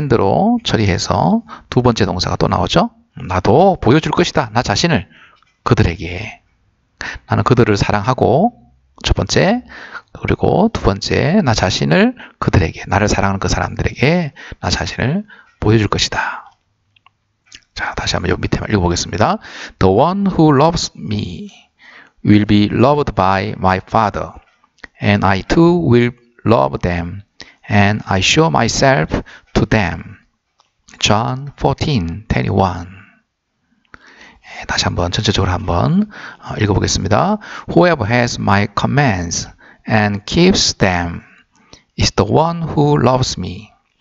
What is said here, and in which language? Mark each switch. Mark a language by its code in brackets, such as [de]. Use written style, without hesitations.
[ko] and로 처리해서 두 번째 동사가 또 나오죠. 나도 보여줄 것이다. 나 자신을. 그들에게 나는 그들을 사랑하고 첫 번째 그리고 두 번째 나 자신을 그들에게 나를 사랑하는 그 사람들에게 나 자신을 보여줄 것이다. 자, 다시 한번 요 밑에만 읽어보겠습니다. [en] The one who loves me will be loved by my father, and I too will love them, and I show myself to them. John 14:21. [ko] 다시 한번 전체적으로 한번 읽어보겠습니다. [en] Whoever has my commands and keeps them is the one who loves me.